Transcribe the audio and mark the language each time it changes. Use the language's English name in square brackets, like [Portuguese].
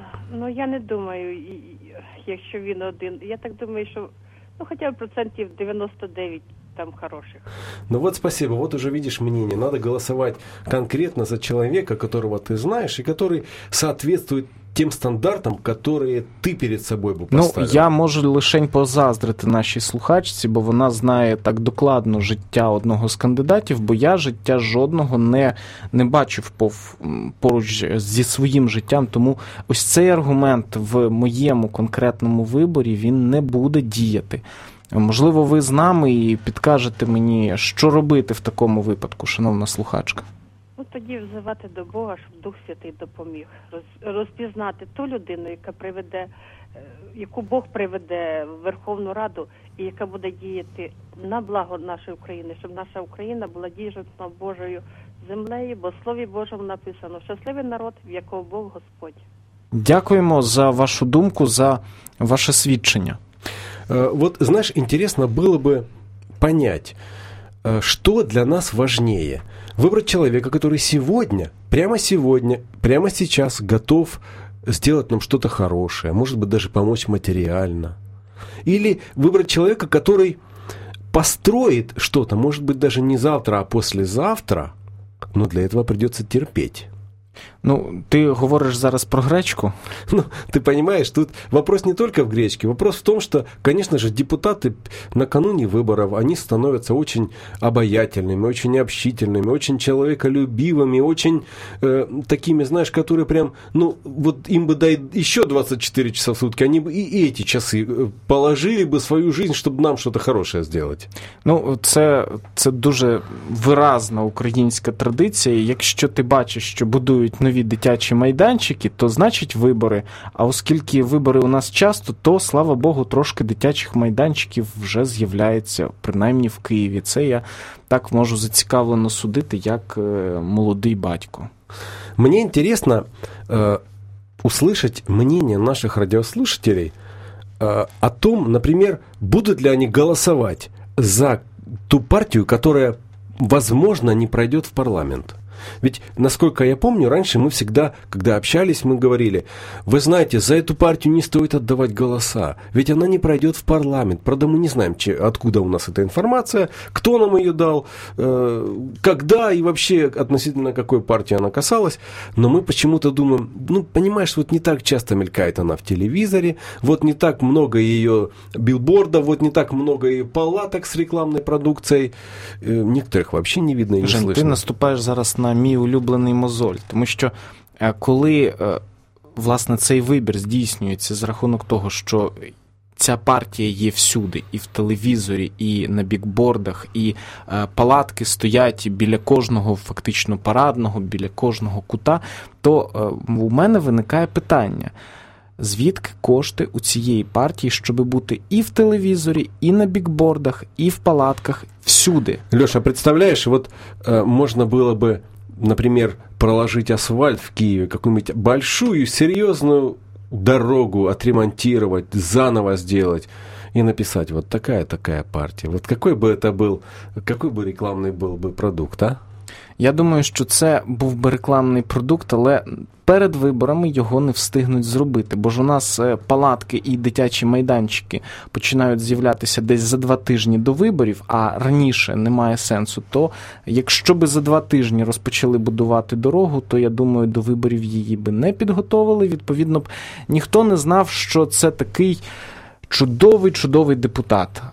[Russian] Ну, я не думаю, если он один. Я так думаю, что ну, хотя бы процентов 99%. Там хороших. Ну вот спасибо, вот уже видишь мнение. Надо голосовать конкретно за человека, которого ты знаешь, и который соответствует [Ukrainian] тим стандартам, які ти перед собою поставив. Ну, я можу лишень позаздрити нашій слухачці, бо вона знає так докладно життя одного з кандидатів, бо я життя жодного не бачив поруч зі своїм життям, тому ось цей аргумент в моєму конкретному виборі, він не буде діяти. Можливо, ви з нами і підкажете мені, що робити в такому випадку, шановна слухачка. Ну, тоді взивати до Бога, щоб Дух Святий допоміг розпізнати ту людину, яка приведе, яку Бог приведе в Верховну Раду, і яка буде діяти на благо нашої України, щоб наша Україна була діжна Божою землею, бо в Слові Божому написано «Щасливий народ, в якого Бог Господь». Дякуємо за вашу думку, за ваше свідчення. [Russian] Вот, знаешь, интересно было бы понять, что для нас важнее. Выбрать человека, который сегодня, прямо сейчас готов сделать нам что-то хорошее, может быть, даже помочь материально. Или выбрать человека, который построит что-то, может быть, даже не завтра, а послезавтра, но для этого придется терпеть. Ну, ты говоришь зараз про гречку? Ну, ты понимаешь, тут вопрос не только в гречке. Вопрос в том, что, конечно же, депутаты накануне выборов, они становятся очень обаятельными, очень общительными, очень человеколюбивыми, очень такими, знаешь, которые прям, ну, вот им бы дай еще 24 часа в сутки, они бы и эти часы положили бы свою жизнь, чтобы нам что-то хорошее сделать. [Ukrainian] Ну, це дуже виразна українська традиція. Якщо ти бачиш, що будують нові дитячі майданчики, то значить вибори. А оскільки вибори у нас часто, то, слава Богу, трошки дитячих майданчиків вже з'являється, принаймні в Києві. Це я так можу зацікавлено судити, як молодий батько. Мені інтересно [Russian] услышать мнение [Ukrainian] наших радіослушателей о том, наприклад, будуть ли вони голосувати за ту партію, яка, возможно, не пройде в парламент. [Russian] Ведь, насколько я помню, раньше мы всегда, когда общались, мы говорили, вы знаете, за эту партию не стоит отдавать голоса, ведь она не пройдет в парламент. Правда, мы не знаем, откуда у нас эта информация, кто нам ее дал, когда и вообще относительно какой партии она касалась. Но мы почему-то думаем, ну, понимаешь, вот не так часто мелькает она в телевизоре, вот не так много ее билбордов, вот не так много ее палаток с рекламной продукцией. Некоторых вообще не видно и не слышно. [Ukrainian] Жень, [Russian] ты наступаешь [Ukrainian] зараз на мій улюблений мозоль. Тому що коли, власне, цей вибір здійснюється з рахунок того, що ця партія є всюди, і в телевізорі, і на бікбордах, і палатки стоять біля кожного, фактично, парадного, біля кожного кута, то у мене виникає питання. звідки кошти у цієї партії, щоб бути і в телевізорі, і на бікбордах, і в палатках, всюди. Льоша, представляєш, от можна було би, наприклад, проложити асфальт в Києві, якусь большую, серйозну дорогу [Russian] отремонтировать, заново сделать и написать вот такая-такая партия. Вот какой бы это был, какой бы рекламный был бы продукт, а? [Ukrainian] Я думаю, що це був би рекламний продукт, але перед виборами його не встигнуть зробити, бо ж у нас палатки і дитячі майданчики починають з'являтися десь за 2 тижні до виборів, а раніше немає сенсу, то якщо би за 2 тижні розпочали будувати дорогу, то я думаю, до виборів її би не підготовили, відповідно б ніхто не знав, що це такий чудовий-чудовий депутат.